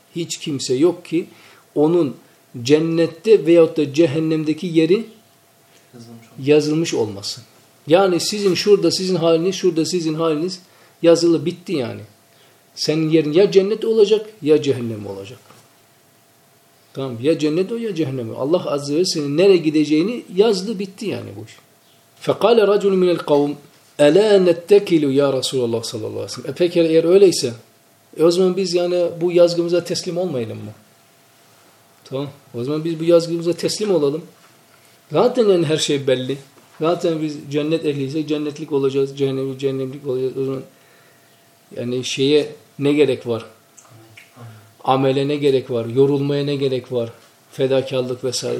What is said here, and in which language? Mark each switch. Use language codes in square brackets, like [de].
[tr] Hiç kimse yok ki onun cennette veyahut da cehennemdeki yeri yazılmış olmasın." Yani sizin şurada sizin haliniz, şurada sizin haliniz yazılı bitti yani. Senin yerin ya cennet olacak ya cehennem olacak. Tamam, ya cennet o ya cehennem. Allah azze ve celle senin nereye gideceğini yazdı bitti yani bu iş. [ar] فَقَالَ رَجُلُ مِنَ الْقَوْمِ أَلَا نَتَّكِلُوا يَا رَسُولَ اللّٰهِ صَلَى اللّٰهِ [tr] صَلَى اللّٰهِ Peki eğer öyleyse o zaman biz yani bu yazgımıza teslim olmayalım mı? Tamam. O zaman biz bu yazgımıza teslim olalım. Zaten yani her şey belli. Zaten biz cennet ehliysek cennetlik olacağız. Cehennemlik olacağız. O zaman yani şeye ne gerek var? Amele ne gerek var? Yorulmaya ne gerek var? Fedakarlık vesaire.